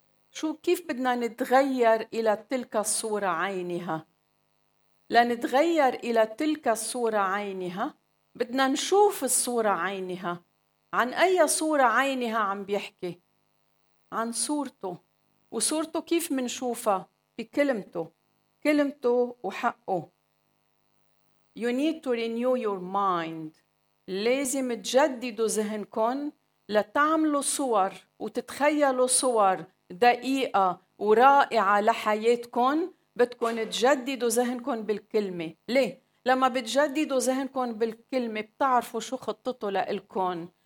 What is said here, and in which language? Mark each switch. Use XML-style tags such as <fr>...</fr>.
<ar>شو كيف بدنا نتغير إلى تلك الصورة عينها؟ لنتغير إلى تلك الصورة عينها بدنا نشوف الصورة عينها. عن أي صورة عينها عم بيحكي؟ عن صورته. وصورته كيف منشوفها؟ بكلمته، كلمته وحقه.</ar> <en>You need to renew your mind.</en> <ar>لازم تجددوا ذهنكن لتعملوا صور وتتخيلوا صور دقيقة ورائعة لحياتكن. بدكن تجددوا ذهنكن بالكلمة. ليه؟ لما بتجددوا ذهنكن بالكلمة بتعرفوا شو خطته لإلكن.</ar>